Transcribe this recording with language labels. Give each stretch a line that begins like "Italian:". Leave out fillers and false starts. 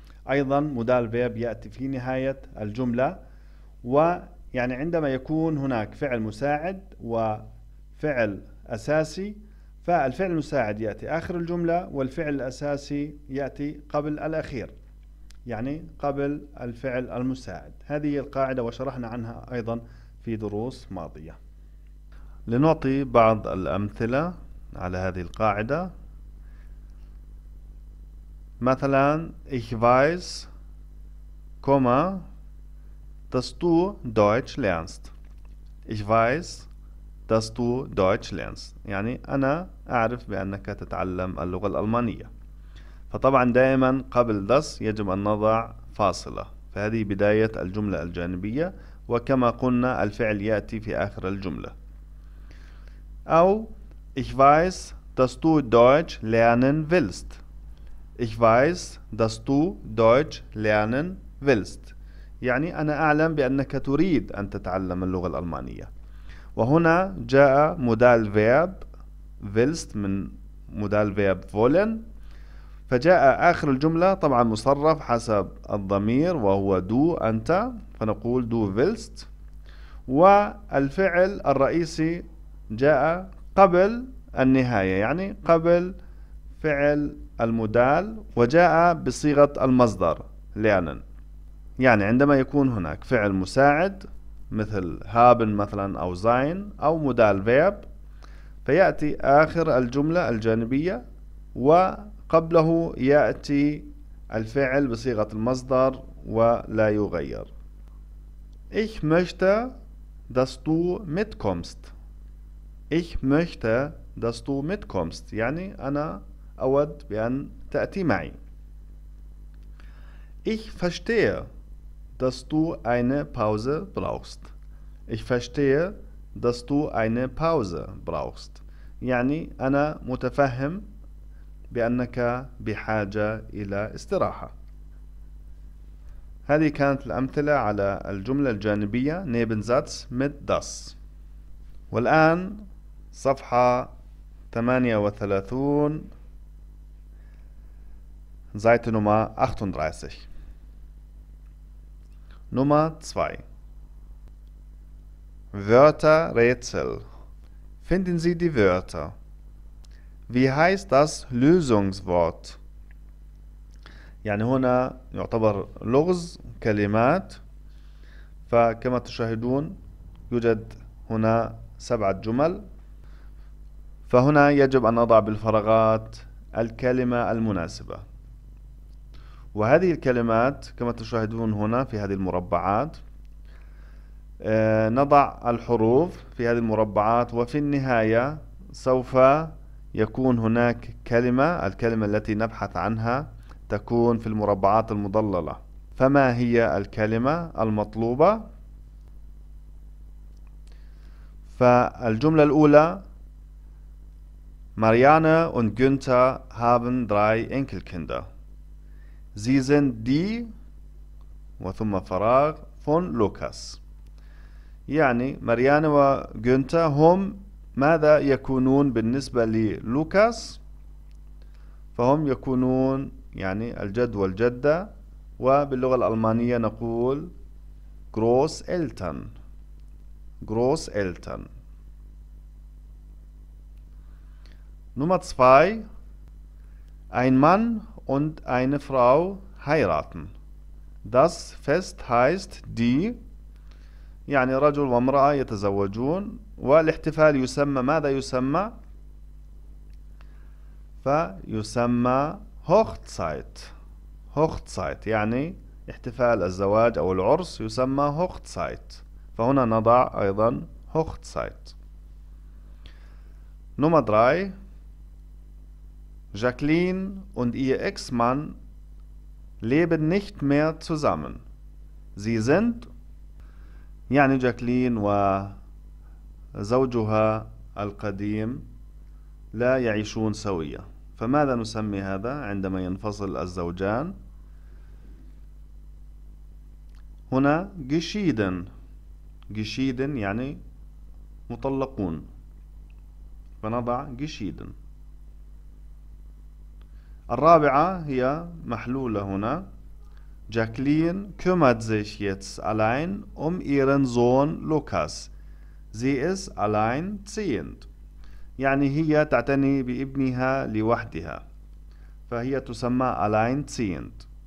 Arabic: أيضا Modalverb يأتي في نهاية الجملة، ويعني عندما يكون هناك فعل مساعد وفعل أساسي، فالفعل المساعد يأتي آخر الجملة والفعل الأساسي يأتي قبل الأخير، يعني قبل الفعل المساعد. هذه القاعدة وشرحنا عنها أيضا في دروس ماضية. لنعطي بعض الأمثلة على هذه القاعدة. مثلا
German: ich weiß, comma, dass du Deutsch lernst. Ich weiß, dass du Deutsch lernst.
Arabic: يعني أنا أعرف بأنك تتعلم اللغة الألمانية. فطبعا دائما قبل das يجب أن نضع فاصلة، فهذه بداية الجملة الجانبية، وكما قلنا الفعل يأتي في آخر الجملة. أو
German: ich weiß, dass du Deutsch lernen willst. Ich weiß, dass du Deutsch lernen willst.
Arabic: يعني أنا أعلم بأنك تريد أن تتعلم اللغة الألمانية. وهنا جاء مودال فيرب willst من مودال فيرب wollen، فجاء آخر الجملة طبعا مصرف حسب الضمير وهو du أنت، فنقول du willst، والفعل الرئيسي جاء قبل النهاية، يعني قبل فعل المدال، وجاء بصيغة المصدر lernen. يعني عندما يكون هناك فعل مساعد مثل haben مثلا أو sein أو مدال verb، فيأتي آخر الجملة الجانبية وقبله يأتي الفعل بصيغة المصدر ولا يغير.
German: Ich möchte, dass du mitkommst. Ich möchte, dass du mitkommst.
Arabic: يعني أنا أود بأن تأتي معي.
German: Ich verstehe, dass du eine Pause brauchst. Ich verstehe, dass du eine Pause brauchst.
Arabic: يعني أنا متفهم بأنك بحاجة إلى استراحة. هذه كانت الأمثلة على الجملة الجانبية
German: Nebensatz mit das.
Arabic: والآن صفحة
German: 38 Seite Nummer 38 Nummer 2 Wörterrätsel. Finden Sie die Wörter. Wie heißt das Lösungswort?
Arabic: يعني هنا يعتبر لغز كلمات، فكما تشاهدون يوجد هنا سبعة جمل، فهنا يجب أن نضع بالفراغات الكلمة المناسبة، وهذه الكلمات كما تشاهدون هنا في هذه المربعات، نضع الحروف في هذه المربعات، وفي النهاية سوف يكون هناك كلمة، الكلمة التي نبحث عنها تكون في المربعات المضللة. فما هي الكلمة المطلوبة؟ فالجملة الأولى
German: Marianne und Günther haben drei Enkelkinder. Sie sind die
Arabic: وثم فراغ
German: von Lukas.
Arabic: يعني Marianne وGünther هم ماذا يكونون بالنسبة للوكاس؟ فهم يكونون يعني الجد والجدة، وباللغة الألمانية نقول Großeltern.
German: Großeltern. Nummer 2 Ein Mann und eine Frau heiraten. Das Fest heißt die
Arabic: يعني رجل وامرأة يتزوجون، والاحتفال يسمى ماذا يسمى؟ فيسمى Hochzeit. Hochzeit يعني احتفال الزواج أو العرس يسمى Hochzeit. فهنا نضع أيضا Hochzeit.
German: Nummer 3 Jacqueline und ihr Ex-Mann leben nicht mehr zusammen. Sie sind
Arabic: يعني Jacqueline وزوجها القديم لا يعيشون سويا. فماذا نسمي هذا عندما ينفصل الزوجان؟ هنا geschieden. Geschieden يعني مطلقون. فنضع geschieden. الرابعة هي محلولة هنا.
German: Jacqueline kümmert sich jetzt allein um ihren Sohn Lukas. Sie ist alleinziehend.
Arabic: يعني هي تعتني بابنها لوحدها. فهي تسمى alleinziehend.